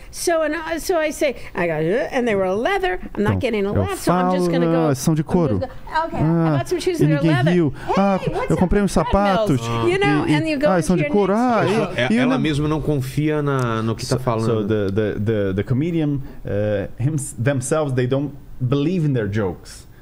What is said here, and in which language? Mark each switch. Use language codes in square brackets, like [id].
[en] So I say, I got it, and they were leather. I'm not getting a laugh, [pt] falo, [en] so I'm just gonna go. [pt] São de couro. [en] I'm just gonna go. Okay, I bought some shoes that are leather. [pt] Eu comprei uns sapatos. [en] You know, and you go [pt] ah, são de couro. Ela mesma não confia no que está falando. [en] So the comedian themselves, they don't believe in their jokes.